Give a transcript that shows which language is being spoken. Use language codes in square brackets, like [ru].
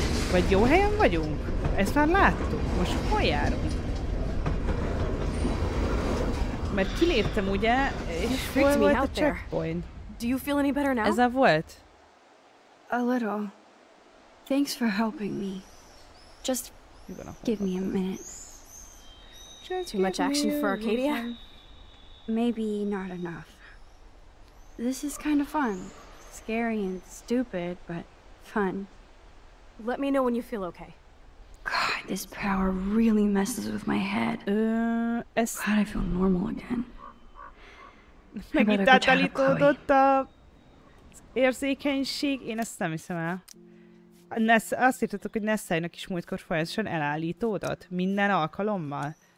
[hu] Vagy jó helyen vagyunk? Ezt már láttuk. Most hol járunk? Mert kiléptem ugye, és hol volt a checkpoint? [en] Do you feel any better now? [hu] Ez a volt? [en] A little. Thanks for helping me. Just give me a minute. Too much action for Arcadia? Maybe not enough. This is kind of fun. Scary and stupid, but fun. Let me know when you feel okay. God, this power really messes with my head. God, I feel normal again. [hu] Megint átállítódott az érzékenység. Én ezt nem hiszem el. Azt írtatok, hogy Nessai-nak is múltkor folyamatosan elállítódott. Minden alkalommal.